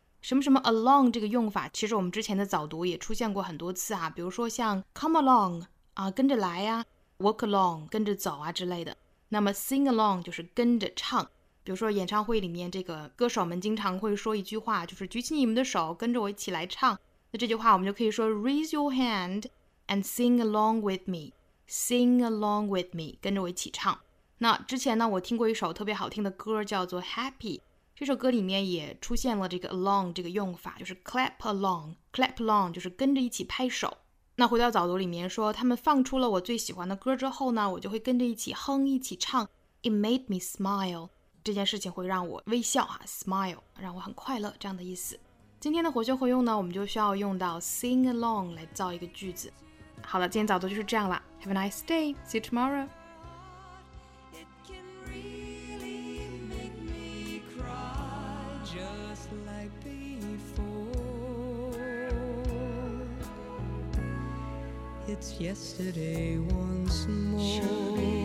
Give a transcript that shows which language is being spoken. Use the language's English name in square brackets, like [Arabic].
[Chinese] 什么什么 along 这个用法其实我们之前的早读也出现过很多次啊，比如说像 come along 啊，跟着来啊， walk along 跟着走啊之类的。那么 sing along 就是跟着唱，比如说演唱会里面这个歌手们经常会说一句话，就是举起你们的手跟着我一起来唱。那这句话我们就可以说 [English] raise your hand and sing along with meSing along with me, [Chinese] 跟着我一起唱。那之前呢我听过一首特别好听的歌叫做 Happy, 这首歌里面也出现了这个 along 这个用法，就是 clap along, clap along 就是跟着一起拍手。那回到早读里面说，他们放出了我最喜欢的歌之后呢，我就会跟着一起哼一起唱， [English] It made me smile, [Chinese] 这件事情会让我微笑啊， smile, 让我很快乐，这样的意思。今天的活学活用呢，我们就需要用到 sing along 来造一个句子。好了，今天早读就是这样了。 [English] Have a nice day. See you tomorrow. It can really make me cry just like before. It's yesterday once more.